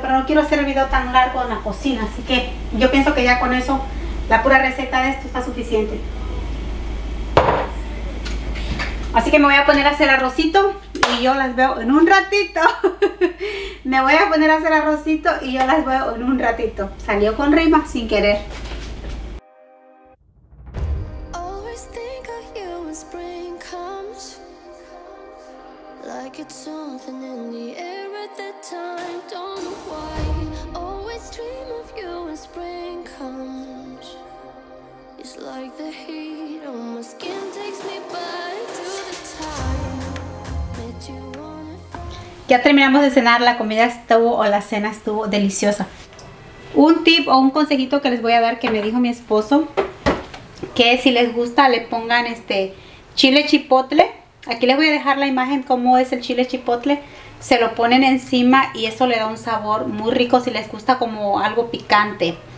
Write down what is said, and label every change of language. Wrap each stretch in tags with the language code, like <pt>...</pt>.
<es>Pero no quiero hacer el video tan largo en la cocina. Así que yo pienso que ya con eso, la pura receta de esto está suficiente. Así que me voy a poner a hacer arrocito. Y yo las veo en un ratito. Me voy a poner a hacer arrocito y yo las veo en un ratito. Salió con rima sin querer.</es> <en>Always think of you when spring comes. Like it's something in the air at that time. Don't know why. Always dream of you when spring comes. It's like the heat on my skin takes me back to the time. Met you.</en> <es>Ya terminamos de cenar, la comida estuvo o la cena estuvo deliciosa. Un tip o un consejito que les voy a dar que me dijo mi esposo, que si les gusta le pongan chile chipotle. Aquí les voy a dejar la imagen cómo es el chile chipotle. Se lo ponen encima y eso le da un sabor muy rico si les gusta como algo picante.</es>